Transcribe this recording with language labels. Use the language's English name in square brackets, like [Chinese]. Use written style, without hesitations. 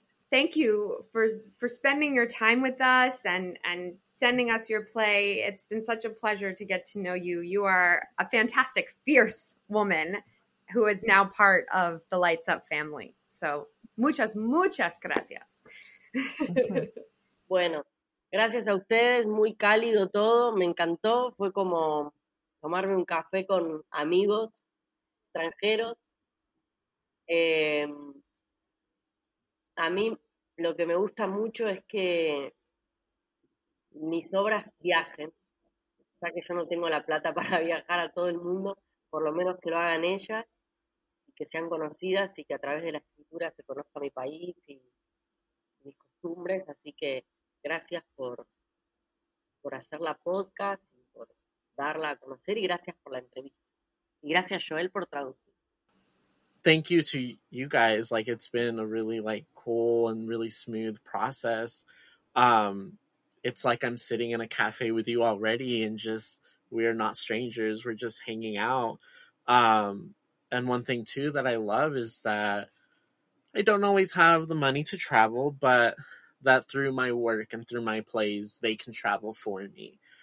[English] Thank you for spending your time with us and sending us your play. It's been such a pleasure to get to know you. You are a fantastic, fierce woman who is now part of the Lights Up family. [Spanish] So muchas, muchas gracias. Bueno. Gracias a ustedes, muy cálido todo, me encantó, fue como tomarme un café con amigos extranjeros. A mí lo que me gusta mucho es que mis obras viajen, ya que yo no tengo la plata para viajar a todo el mundo, por lo menos que lo hagan ellas, y que sean conocidas y que a través de la escritura se conozca mi país y mis costumbres, así que gracias por hacer la podcast, por darla a conocer, y gracias por la entrevista. Y gracias, Joel, por traducir. [English] Thank you to you guys. Like, it's been a really, like, cool and really smooth process. It's like I'm sitting in a cafe with you already, and just, we're not strangers. We're just hanging out. And one thing, too, that I love is that I don't always have the money to travel, but that through my work and through my plays, they can travel for me.